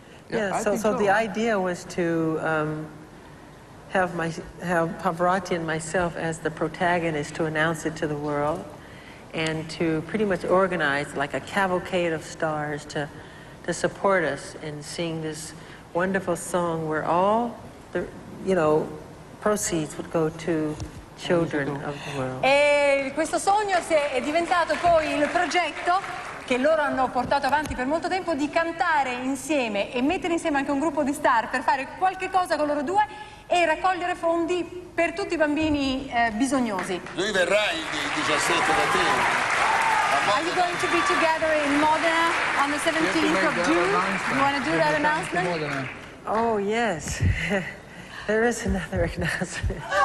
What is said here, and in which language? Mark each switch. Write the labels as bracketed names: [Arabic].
[English] Yeah, so the idea was to have Pavarotti and myself as the protagonist to announce it to the world and to pretty much organize like a cavalcade of stars to support us in sing this wonderful song where all the, you know, proceeds would go to children of the world. [Italian] E questo sogno è diventato poi il progetto che loro hanno portato avanti per molto tempo, di cantare insieme e mettere insieme anche un gruppo di star per fare qualche cosa con loro due e raccogliere fondi per tutti i bambini bisognosi. Lui verrà il 17 da te. [English] Are you going to be together in Modena on the 17th of June? You want to do that announcement? Oh, yes. There is another announcement.